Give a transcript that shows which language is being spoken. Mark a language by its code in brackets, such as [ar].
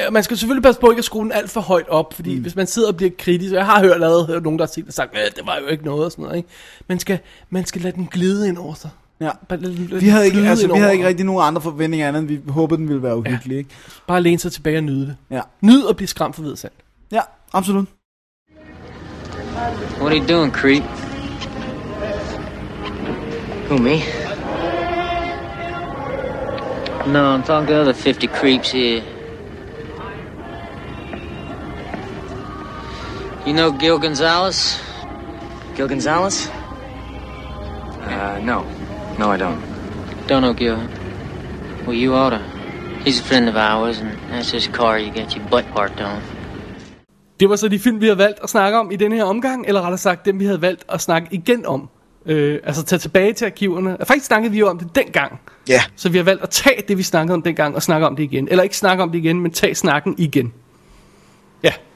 [da] Man skal selvfølgelig passe på ikke at skrue den alt for højt op, fordi hvis man sidder og bliver kritisk, og jeg har hørt nogen, der har set og sagt, det var jo ikke noget og sådan noget, ikke? Man skal lade den glide ind over sig. Ja, vi havde ikke rigtig nogen andre forventninger andet, end vi håbede, den ville være uhyggelig. Ja. Ikke? Bare læne sig tilbage og nyde det. Ja. Nyd at blive skræmt for hvid sand. Ja, absolut. [en] What are you doing, creep? Who, me? No, I'm talking to other 50 creeps here. You know Gil Gonzalez? Gil Gonzalez? No. No, I don't. Don't know Gil. Well, you oughta. He's a friend of ours, and that's his car you get your butt parked on. [da] Det var så de film, vi havde valgt at snakke om i denne her omgang, eller rettere sagt, dem vi havde valgt at snakke igen om. Altså tage tilbage til arkiverne. Faktisk snakkede vi jo om det dengang. Ja. Yeah. Så vi har valgt at tage det, vi snakkede om dengang, og snakke om det igen. Eller ikke snakke om det igen, men tage snakken igen. Ja.